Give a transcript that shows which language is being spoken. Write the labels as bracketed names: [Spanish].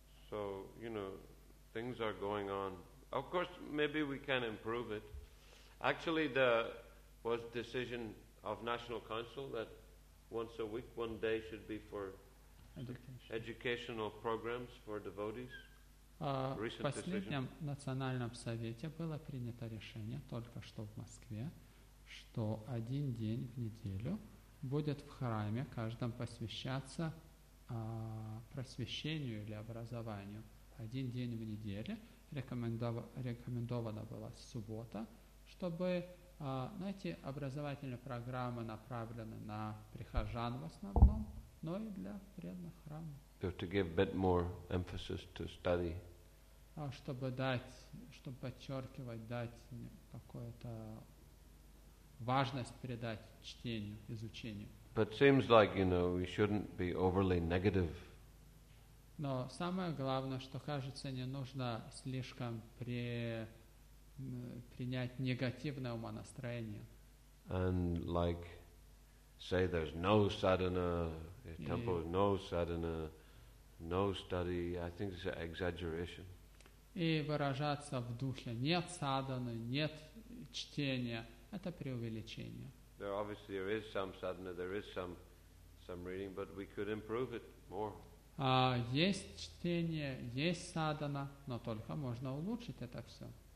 [English] So, you know, things are going on. Of course, maybe we can improve it. Actually, there was decision of National Council that once a week, one day should be for educational programs for devotees. [Russian] В последнем национальном совете было принято решение только что в Москве, что один день в неделю будет в храме каждом посвящаться просвещению или образованию. Один день в неделю рекомендовано было суббота, чтобы найти образовательные программы, направленные на прихожан в основном, но и для преданных храма. [English] So to give a bit more emphasis to study. [Russian] Чтобы подчеркивать, дать какую-то важность передать чтению, изучению. [English] But seems like, you know, we shouldn't be overly negative. [Russian] Но самое главное, что кажется, не нужно слишком принять негативное умонастроение. [English] And like say there's no sadhana, temple, no sadhana, no study, I think it's an exaggeration. [Russian] И выражаться в духе нет садханы, нет чтения, это преувеличение. [English] There obviously there is some sadhana, there is some reading, but we could improve it more. [Russian] Есть чтение, есть садхана, но только можно улучшить это все.